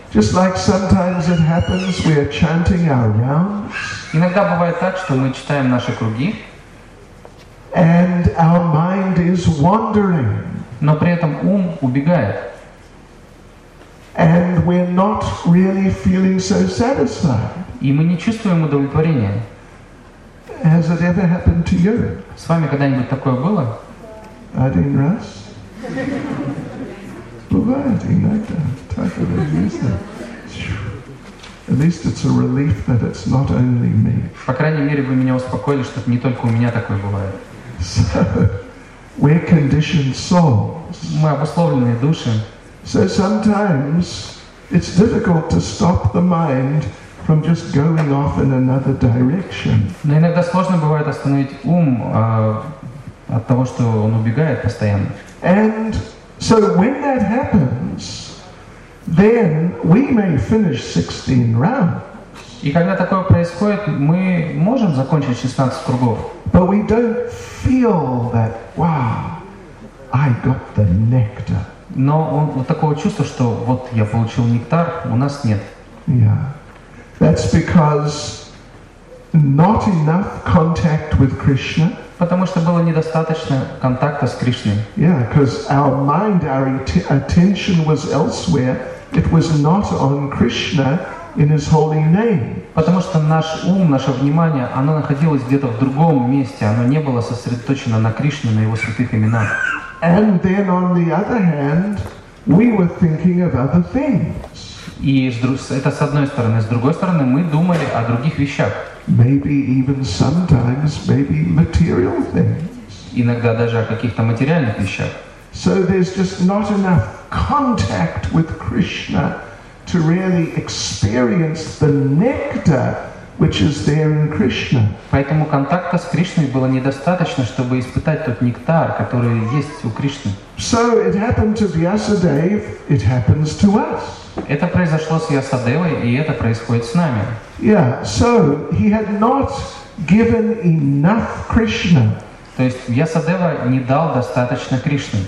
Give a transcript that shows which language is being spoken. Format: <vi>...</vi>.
<en>Just like sometimes it happens, we are chanting our rounds.</en> <ru>Иногда бывает так, что мы читаем наши круги.</ru> <en>And our mind is wandering.</en> <ru>Но при этом ум убегает.</ru> <en>And we're not really feeling so satisfied.</en> <ru>И мы не чувствуем удовлетворения.</ru> <en>Has it ever happened to you?</en> <ru>С вами когда-нибудь такое было? Один раз. Бывает иногда. Так это есть.</ru> <en>At least it's a relief that it's not only me.</en> <ru>По крайней мере, вы меня успокоили, что не только у меня такое бывает.</ru> <en>So, we're conditioned souls.</en> <ru>Мы обусловленные души.</ru> <en>So sometimes it's difficult to stop the mind from just going off in another direction.</en> <ru>Но иногда сложно бывает остановить ум от того, что он убегает постоянно.</ru> <en>And so when that happens, then we may finish 16 rounds.</en> <ru>И когда такое происходит, мы можем закончить 16 кругов.</ru> <en>But we don't feel that, wow, I got the nectar.</en> <ru>Но вот такого чувства, что вот я получил нектар, у нас нет.</ru> <en>Yeah. That's because not enough contact with Krishna.</en> <ru>Потому что было недостаточно контакта с Кришной.</ru> <en>Yeah, because our mind, our attention was elsewhere. It was not on Krishna. In His holy name.</en> <ru>Потому что наш ум, наше внимание, оно находилось где-то в другом месте, оно не было сосредоточено на Кришне, на Его святых именах.</ru> <en>And then on the other hand, we were thinking of other things.</en> <ru>И это с одной стороны, с другой стороны мы думали о других вещах.</ru> <en>Maybe even sometimes, maybe material things.</en> <ru>Иногда даже о каких-то материальных вещах.</ru> <en>So there's just not enough contact with Krishna to really experience the nectar which is there in Krishna.</en> <ru>Поэтому контакта с Кришной было недостаточно, чтобы испытать тот нектар, который есть у Кришны.</ru> <en>So it happened to Vyasadeva, it happens to us.</en> <ru>Это произошло с Ясадевой, и это происходит с нами.</ru> <en>Yeah, so he had not given enough Krishna.</en> <ru>То есть Ясадева не дал достаточно Кришны.</ru>